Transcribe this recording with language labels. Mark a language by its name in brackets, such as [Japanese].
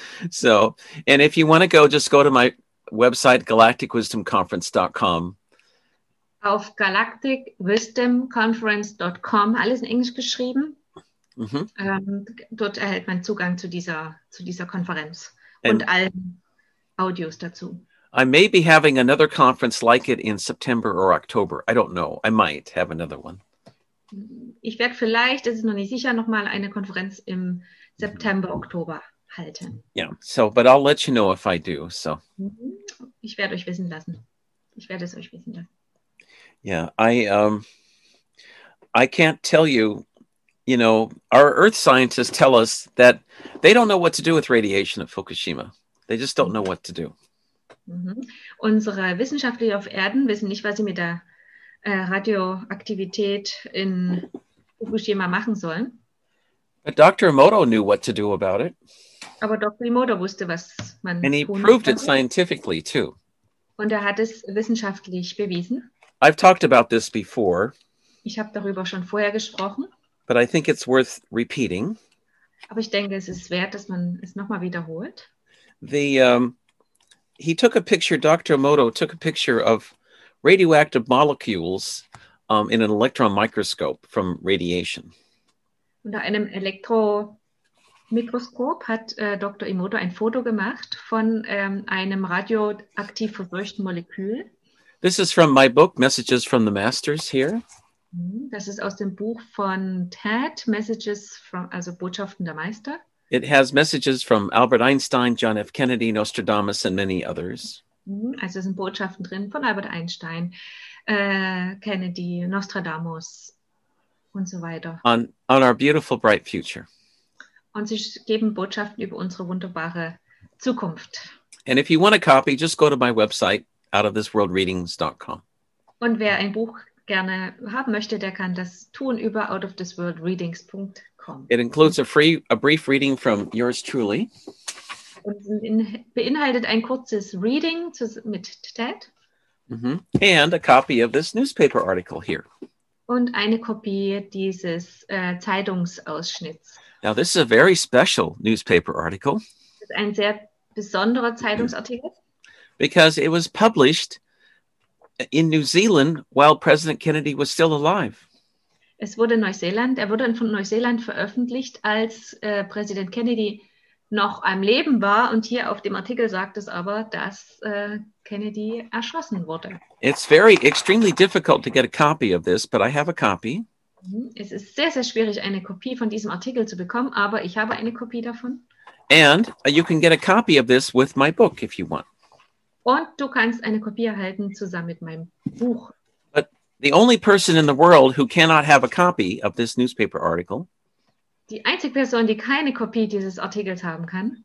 [English] So, and if you want to go, just go to my website, galacticwisdomconference.com. [German] Auf galacticwisdomconference.com, alles in Englisch geschrieben. Mm-hmm. Dort erhält man Zugang zu dieser Konferenz und allen Audios dazu. [English] I may be having another conference like it in September or October. I don't know. I might have another one. [German] Ich werde vielleicht, es ist noch nicht sicher, nochmal eine Konferenz im September, Oktober halten. [English] Yeah, so, but I'll let you know if I do, so. [German] Ich werde euch wissen lassen. Ich werde es euch wissen lassen. [English] Yeah, I can't tell you, you know, our Earth scientists tell us that they don't know what to do with radiation at Fukushima. They just don't know what to do. Mm-hmm. [German] Unsere Wissenschaftler auf Erden wissen nicht, was sie mit der Radioaktivität in Fukushima machen sollen. [English] But Dr. Emoto knew what to do about it. [German] Aber Dr. Emoto wusste, was man [English] And he proved it scientifically too. [German] Und hat es wissenschaftlich bewiesen. [English] I've talked about this before. [German] Ich habe darüber schon vorher gesprochen. [English] But I think it's worth repeating. [German] Aber ich denke, es ist wert, dass man es nochmal wiederholt. [English] Dr. Emoto took a picture of radioactive molecules in an electron microscope from radiation. [German] Unter einem Elektro Mikroskop hat Dr. Emoto ein Foto gemacht von einem radioaktiv verseuchten Molekül. [English] This is from my book, Messages from the Masters, here. [German] Das ist aus dem Buch von Ted, Messages from, also Botschaften der Meister. [English] It has messages from Albert Einstein, John F. Kennedy, Nostradamus and many others. [German] Also es sind Botschaften drin von Albert Einstein, Kennedy, Nostradamus und so weiter. [English] On our beautiful, bright future. [German] Und sie geben Botschaften über unsere wunderbare Zukunft. [English] And if you want a copy, just go to my website, outofthisworldreadings.com. [German] Und wer ein Buch gerne haben möchte, der kann das tun über outofthisworldreadings.com. [English] It includes a brief reading from yours truly. [German] Und beinhaltet ein kurzes Reading mit Ted. Mm-hmm. [English] And a copy of this newspaper article here. [German] Und eine Kopie dieses Zeitungsausschnitts. [English] Now this is a very special newspaper article. [German] Das ist ein sehr besonderer Zeitungsartikel. [English] Because it was published in New Zealand while President Kennedy was still alive. [German] Es wurde in Neuseeland, er wurde von Neuseeland veröffentlicht, als Präsident Kennedy noch am Leben war. Und hier auf dem Artikel sagt es aber, dass Kennedy erschossen wurde. [English] It's very extremely difficult to get a copy of this, but I have a copy. [German] Es ist sehr, sehr schwierig, eine Kopie von diesem Artikel zu bekommen, aber ich habe eine Kopie davon. [English] And you can get a copy of this with my book if you want. [German] Und du kannst eine Kopie erhalten zusammen mit meinem Buch. [English] But the only person in the world who cannot have a copy of this newspaper article. [German] Die einzige Person, die keine Kopie dieses Artikels haben kann.